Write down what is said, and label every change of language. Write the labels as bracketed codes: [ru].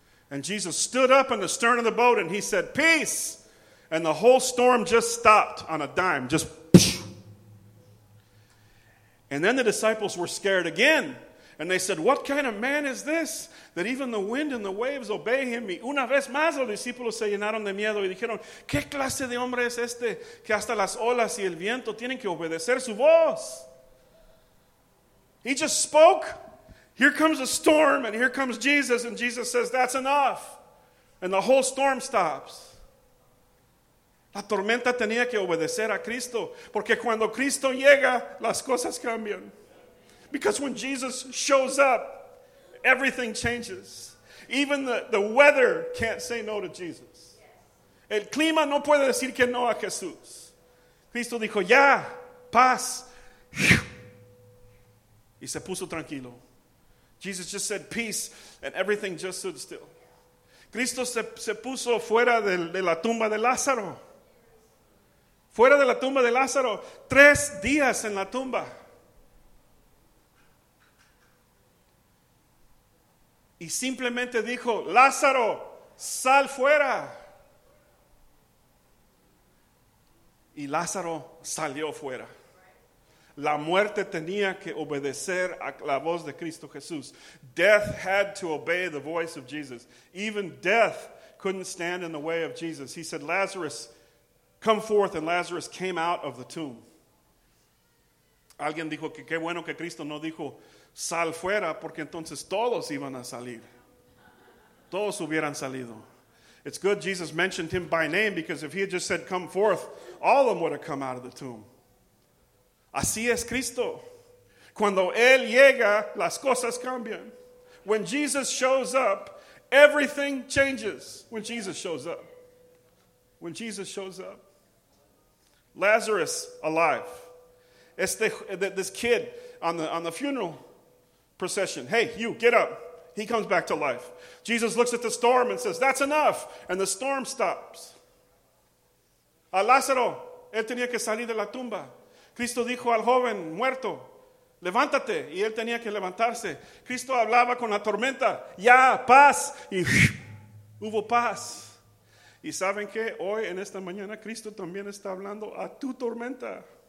[en] And Jesus stood up in the stern of the boat and he said, peace. And the whole storm just stopped on a dime. Just And then the disciples were scared again. And they said, what kind of man is this? That even the wind and the waves obey him. [es] Y una vez más los discípulos se llenaron de miedo. Y dijeron, ¿qué clase de hombre es este? Que hasta las olas y el viento tienen que obedecer su voz. [en] He just spoke. Here comes a storm and here comes Jesus. And Jesus says, that's enough. And the whole storm stops. [es] La tormenta tenía que obedecer a Cristo. Porque cuando Cristo llega, las cosas cambian. [en] Because when Jesus shows up, everything changes. Even the weather can't say no to Jesus. [es] El clima no puede decir que no a Jesús. Cristo dijo, ya, paz. Y se puso tranquilo. [en] Jesus just said peace and everything just stood still. [es] Cristo se puso fuera de la tumba de Lázaro. Fuera de la tumba de Lázaro. 3 días en la tumba. Y simplemente dijo, Lázaro, sal fuera. Y Lázaro salió fuera. La muerte tenía que obedecer a la voz de Cristo Jesús. [en] Death had to obey the voice of Jesus. Even death couldn't stand in the way of Jesus. He said, Lazarus, come forth. And Lazarus came out of the tomb. [es] Alguien dijo que qué bueno que Cristo no dijo, sal fuera, porque entonces todos iban a salir. Todos hubieran salido. [en] It's good Jesus mentioned him by name, because if he had just said, come forth, all of them would have come out of the tomb. [es] Así es Cristo. Cuando Él llega, las cosas cambian. [en] When Jesus shows up, everything changes. When Jesus shows up. When Jesus shows up. Lazarus, alive. This kid on the funeral procession. Hey, you, get up. He comes back to life. Jesus looks at the storm and says, that's enough. And the storm stops. [es] A Lázaro, él tenía que salir de la tumba. Cristo dijo al joven muerto, levántate. Y él tenía que levantarse. Cristo hablaba con la tormenta, ya, paz. Y hubo paz. Y saben que hoy en esta mañana Cristo también está hablando a tu tormenta.